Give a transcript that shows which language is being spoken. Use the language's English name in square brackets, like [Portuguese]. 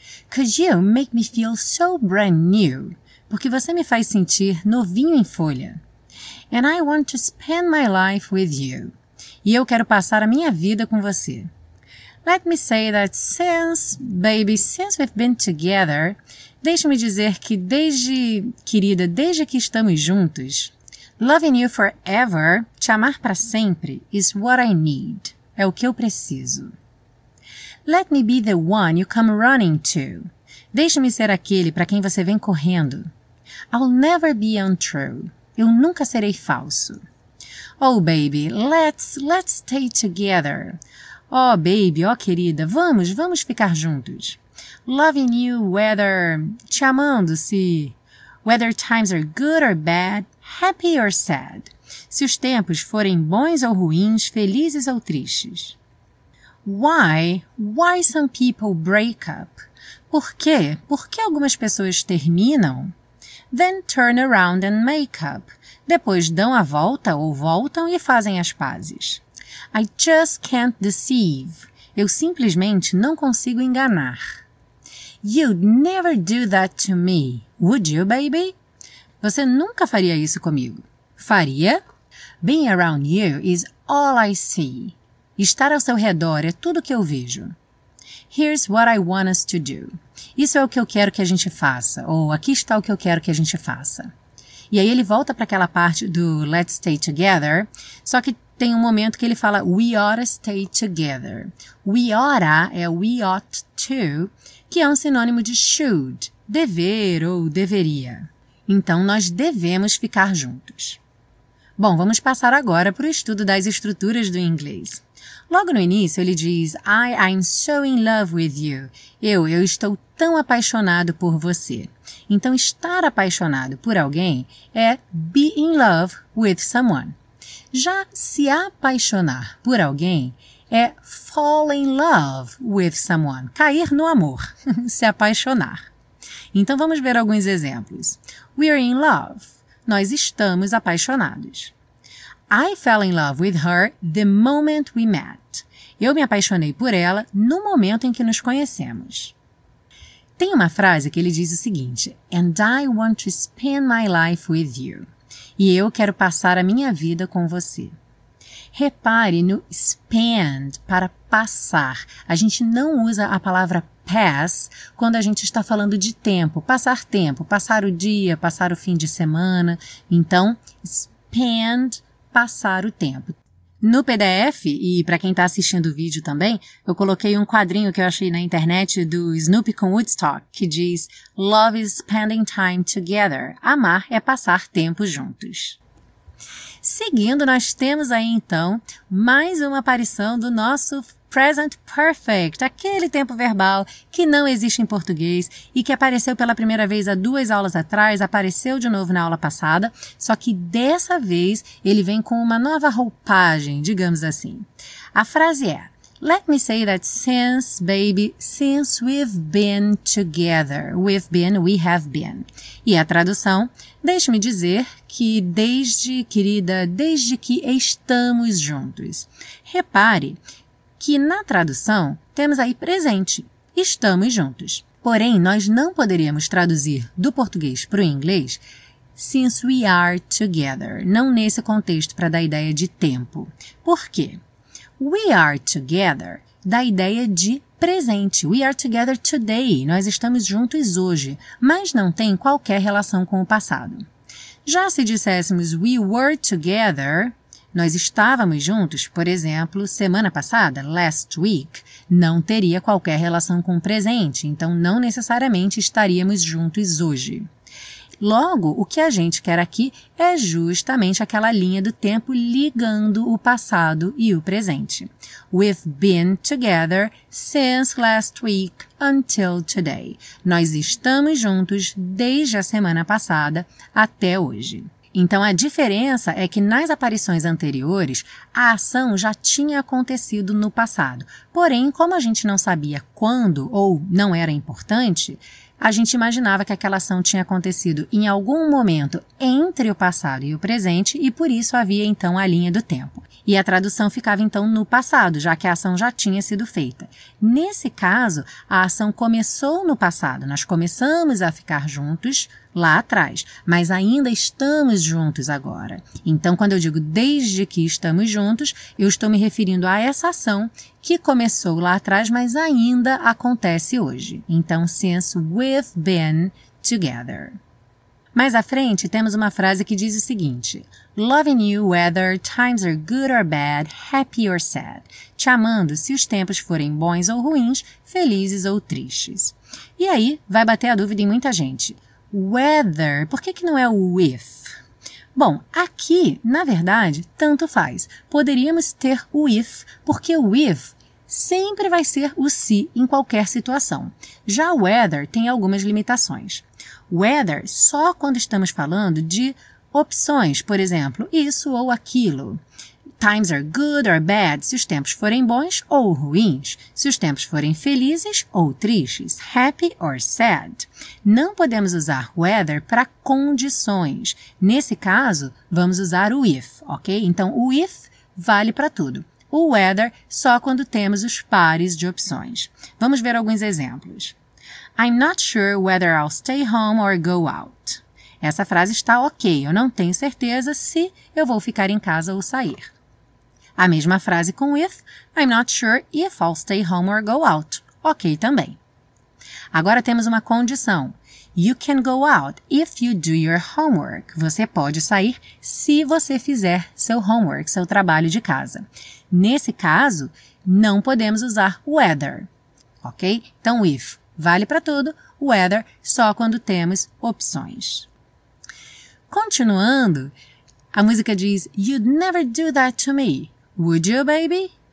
[English] 'Cause you make me feel so brand new. [Portuguese] Porque você me faz sentir novinho em folha. [English] And I want to spend my life with you. [Portuguese] E eu quero passar a minha vida com você. [English] Let me say that since we've been together, [Portuguese] deixe-me dizer que desde que estamos juntos, [English] loving you forever, [Portuguese] te amar para sempre, [English] is what I need, [Portuguese] é o que eu preciso. [English] Let me be the one you come running to, [Portuguese] deixe-me ser aquele para quem você vem correndo. [English] I'll never be untrue, [Portuguese] eu nunca serei falso. [English] Oh baby, let's stay together. [Portuguese] Oh, baby, oh, querida, vamos ficar juntos. [English] Loving you whether, [Portuguese] te amando se, [English] whether times are good or bad, happy or sad. [Portuguese] Se os tempos forem bons ou ruins, felizes ou tristes. [English] Why some people break up? [Portuguese] Por quê? Por que algumas pessoas terminam? [English] Then turn around and make up. [Portuguese] Depois dão a volta ou voltam e fazem as pazes. [English] I just can't deceive. [Portuguese] Eu simplesmente não consigo enganar. [English] You'd never do that to me, would you, baby? [Portuguese] Você nunca faria isso comigo. Faria? [English] Being around you is all I see. [Portuguese] Estar ao seu redor é tudo que eu vejo. [English] Here's what I want us to do. [Portuguese] Isso é o que eu quero que a gente faça. Ou aqui está o que eu quero que a gente faça. E aí ele volta para aquela parte do Let's Stay Together, só que tem um momento que ele fala [English] We oughta stay together. We oughta [Portuguese] é [English] we ought to, [Portuguese] que é um sinônimo de should, dever ou deveria. Então, nós devemos ficar juntos. Bom, vamos passar agora para o estudo das estruturas do inglês. Logo no início, ele diz [English] I'm so in love with you. [Portuguese] Eu estou tão apaixonado por você. Então, estar apaixonado por alguém é [English] be in love with someone. [Portuguese] Já se apaixonar por alguém é [English] fall in love with someone, [Portuguese] cair no amor, se apaixonar. Então, vamos ver alguns exemplos. [English] We're in love. [Portuguese] Nós estamos apaixonados. [English] I fell in love with her the moment we met. [Portuguese] Eu me apaixonei por ela no momento em que nos conhecemos. Tem uma frase que ele diz o seguinte, [English] and I want to spend my life with you. [Portuguese] E eu quero passar a minha vida com você. Repare no spend, para passar. A gente não usa a palavra pass quando a gente está falando de tempo, passar o dia, passar o fim de semana. Então, spend, passar o tempo. No PDF, e para quem está assistindo o vídeo também, eu coloquei um quadrinho que eu achei na internet do Snoopy com Woodstock, que diz [English] Love is spending time together. [Portuguese] Amar é passar tempo juntos. Seguindo, nós temos aí então mais uma aparição do nosso Present Perfect, aquele tempo verbal que não existe em português e que apareceu pela primeira vez há 2 aulas atrás, apareceu de novo na aula passada, só que dessa vez ele vem com uma nova roupagem, digamos assim. A frase é, [English] let me say that since, baby, since we've been together, we've been, we have been. [Portuguese] E a tradução, deixe-me dizer que desde, querida, desde que estamos juntos. Repare que na tradução temos aí presente, estamos juntos. Porém, nós não poderíamos traduzir do português para o inglês [English] since we are together, [Portuguese] não nesse contexto para dar ideia de tempo. Por quê? [English] We are together [Portuguese] dá ideia de presente. [English] We are together today, [Portuguese] nós estamos juntos hoje, mas não tem qualquer relação com o passado. Já se disséssemos [English] we were together, [Portuguese] nós estávamos juntos, por exemplo, semana passada, [English] last week, [Portuguese] não teria qualquer relação com o presente, então não necessariamente estaríamos juntos hoje. Logo, o que a gente quer aqui é justamente aquela linha do tempo ligando o passado e o presente. [English] We've been together since last week until today. [Portuguese] Nós estamos juntos desde a semana passada até hoje. Então, a diferença é que nas aparições anteriores, a ação já tinha acontecido no passado. Porém, como a gente não sabia quando ou não era importante, a gente imaginava que aquela ação tinha acontecido em algum momento entre o passado e o presente e por isso havia então a linha do tempo. E a tradução ficava então no passado, já que a ação já tinha sido feita. Nesse caso, a ação começou no passado, nós começamos a ficar juntos lá atrás, mas ainda estamos juntos agora. Então, quando eu digo desde que estamos juntos, eu estou me referindo a essa ação que começou lá atrás, mas ainda acontece hoje. [English] Então, since we've been together. [Portuguese] Mais à frente, temos uma frase que diz o seguinte, [English] loving you whether times are good or bad, happy or sad. [Portuguese] Te amando se os tempos forem bons ou ruins, felizes ou tristes. E aí, vai bater a dúvida em muita gente. Whether, por que não é o with? Bom, aqui, na verdade, tanto faz. Poderíamos ter o if, porque o if sempre vai ser o se em qualquer situação. Já o whether tem algumas limitações. Whether, só quando estamos falando de opções, por exemplo, isso ou aquilo. [English] Times are good or bad, [Portuguese] se os tempos forem bons ou ruins, se os tempos forem felizes ou tristes, [English] happy or sad. [Portuguese] Não podemos usar whether para condições. Nesse caso, vamos usar o if, ok? Então, o if vale para tudo. O whether, só quando temos os pares de opções. Vamos ver alguns exemplos. [English] I'm not sure whether I'll stay home or go out. [Portuguese] Essa frase está ok, eu não tenho certeza se eu vou ficar em casa ou sair. A mesma frase com if, [English] I'm not sure if I'll stay home or go out. [Portuguese] Ok também. Agora temos uma condição. [English] You can go out if you do your homework. [Portuguese] Você pode sair se você fizer seu homework, seu trabalho de casa. Nesse caso, não podemos usar whether. Ok? Então, if vale para tudo, whether só quando temos opções. Continuando, a música diz, [English] you'd never do that to me. Would you, baby?